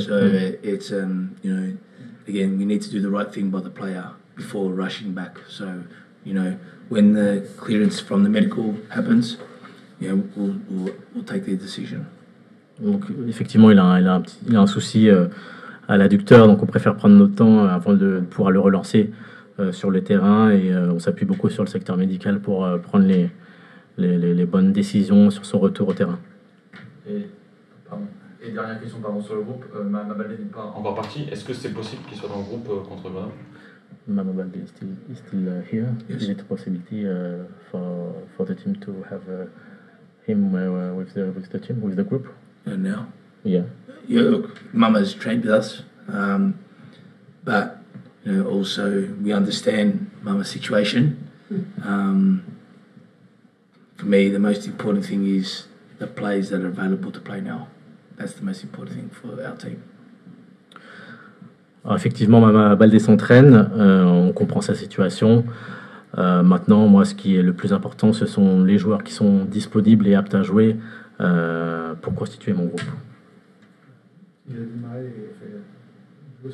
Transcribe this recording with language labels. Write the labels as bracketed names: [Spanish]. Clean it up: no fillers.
[English] So it's you know, again, we need to do the right thing by the player before rushing back. So, you know, when the clearance from the medical happens, you know, we'll take the decision. [French] Donc, effectivement, il a un souci à l'adducteur, donc on préfère prendre notre temps avant de pouvoir le relancer sur le terrain et on s'appuie beaucoup sur le secteur médical pour prendre les bonnes décisions sur son retour au terrain. Et dernière question sur le groupe, Mamabalde n'est pas encore parti. Est-ce que c'est possible qu'il soit dans le groupe contre Grenoble? [English] Mamabalde is still here. Yes. Is it a possibility for the team to have him with the team, with the group? And now? Yeah. Yeah, look, Mama's trained with us, but you know, also we understand Mama's situation. For me, the most important thing is the players that are available to play now. That's the most important thing for our team. [French] Alors effectivement, Mama Baldé s'entraîne, on comprend sa situation. Maintenant, moi, ce qui est le plus important, ce sont les joueurs qui sont disponibles et aptes à jouer pour constituer mon groupe. Il a démarré et fait